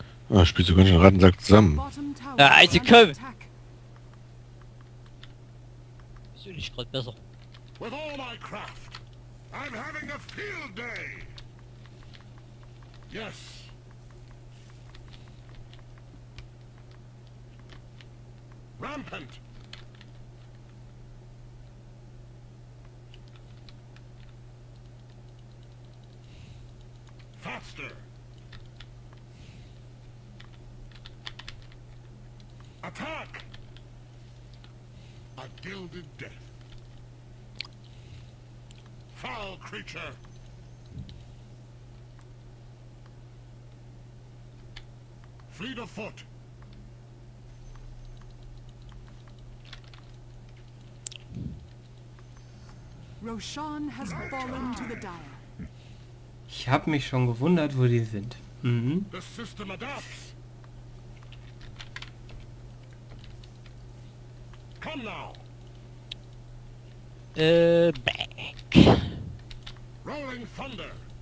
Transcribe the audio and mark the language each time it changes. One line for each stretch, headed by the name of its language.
German: Ah, spielst du ganz schön Rattensack zusammen. Ja, also komm! Bist du nicht gerade besser?
English: With all my craft, I'm having a field day! Yes! Rampant! Faster! Attack! A gilded death! Foul creature! Fleet of foot! Roshan has fallen to the dire.
German: Ich hab mich schon gewundert, wo die sind.
English: The system adapts. Come now. Back. Rolling Thunder.